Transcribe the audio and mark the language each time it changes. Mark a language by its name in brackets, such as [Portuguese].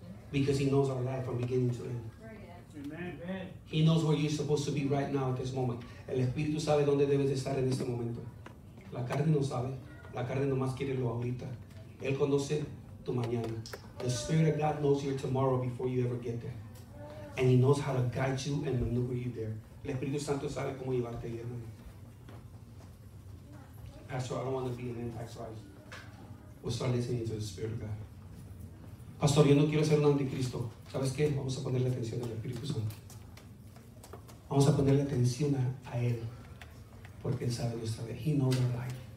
[English] Because he knows our life from beginning to end. He knows where you're supposed to be right now at this moment. [Spanish] El Espíritu sabe dónde debes estar en este momento. La carne no sabe. La carne nomás quiere lo ahorita. Él conoce tu mañana. [English] The Spirit of God knows your tomorrow before you ever get there. And he knows how to guide you and maneuver you there. [Spanish] El Espíritu Santo sabe cómo llevarte ahí, hermano. [English] Pastor, I don't want to be an antichrist. We'll start listening to the Spirit of God. [Spanish] Pastor, yo no quiero ser un anticristo. ¿Sabes qué? Vamos a ponerle atención al Espíritu Santo. Vamos a ponerle atención a Él. Porque Él sabe nuestra vida. [English] He knows our life.